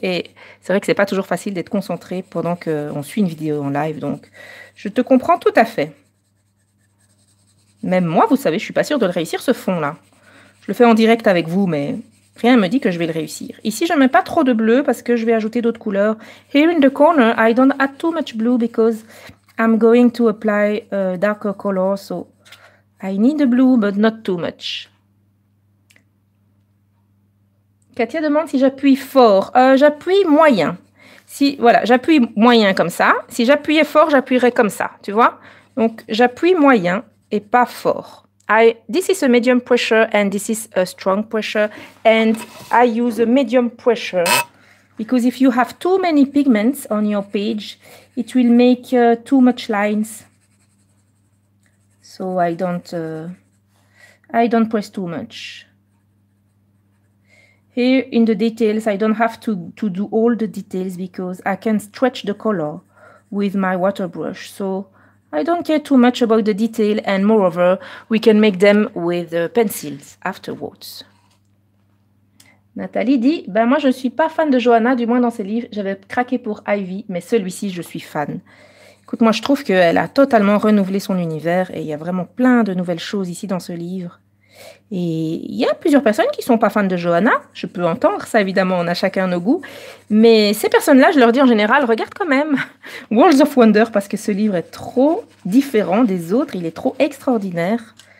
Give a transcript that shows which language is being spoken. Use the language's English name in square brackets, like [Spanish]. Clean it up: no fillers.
[French] Et c'est vrai que ce n'est pas toujours facile d'être concentré pendant qu'on suit une vidéo en live. Donc, je te comprends tout à fait. Même moi, vous savez, je ne suis pas sûre de le réussir, ce fond-là. Je le fais en direct avec vous, mais rien ne me dit que je vais le réussir. Ici, je ne mets pas trop de bleu parce que je vais ajouter d'autres couleurs. [English] Here in the corner, I don't add too much blue because. I'm going to apply a darker color, so I need the blue, but not too much. [French] Katia demande si j'appuie fort. J'appuie moyen. Si, voilà, j'appuie moyen comme ça. Si j'appuyais fort, j'appuierais comme ça, tu vois? Donc, j'appuie moyen et pas fort. [English] This is a medium pressure and this is a strong pressure. And I use a medium pressure because if you have too many pigments on your page, it will make too much lines. So I don't press too much. Here in the details, I don't have to do all the details because I can stretch the color with my water brush. So I don't care too much about the detail, and moreover, we can make them with pencils afterwards. [French] Nathalie dit, ben moi je ne suis pas fan de Johanna, du moins dans ses livres, j'avais craqué pour Ivy, mais celui-ci je suis fan. Écoute, moi je trouve qu'elle a totalement renouvelé son univers et il y a vraiment plein de nouvelles choses ici dans ce livre. Et il y a plusieurs personnes qui ne sont pas fans de Johanna, je peux entendre ça évidemment, on a chacun nos goûts, mais ces personnes-là, je leur dis en général, regarde quand même Worlds of Wonder parce que ce livre est trop différent des autres, il est trop extraordinaire.